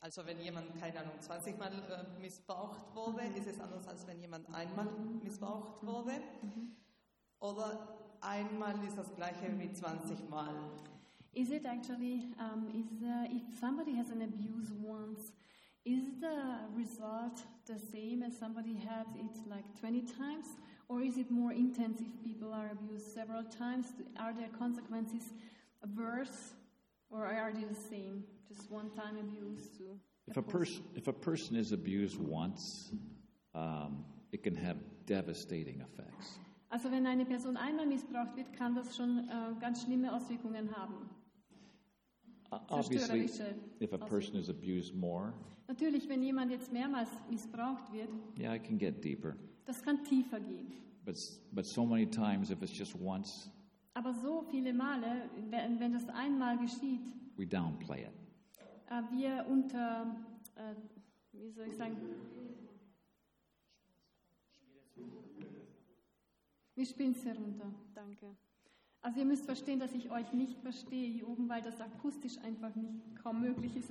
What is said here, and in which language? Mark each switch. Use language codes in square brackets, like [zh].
[de] Also wenn jemand, keine Ahnung, 20 Mal missbraucht wurde, ist es anders, als wenn jemand einmal missbraucht wurde. Oder einmal ist das gleiche wie 20 Mal. [en] Is it actually, if somebody has an abuse once, is the result the same as somebody had it like 20 times? Or is it more intense if people are abused several times? Are their consequences worse? Or are they the same? Just one time abuse? To if a person is abused once, it can have devastating effects. [de] Also wenn eine Person einmal missbraucht wird, kann das schon ganz schlimme Auswirkungen haben. [en] Obviously, if a person is abused more, [de] natürlich, wenn jemand jetzt mehrmals missbraucht wird, [en] yeah, I can get deeper. [de] Das kann tiefer gehen. [en] But so many times, if it's just once, [de] aber so viele Male, wenn das einmal geschieht, [en] we downplay it. [de] Wir unter, wie soll ich sagen, wir spielen es herunter, danke. Also ihr müsst verstehen, dass ich euch nicht verstehe hier oben, weil das akustisch einfach nicht kaum möglich ist.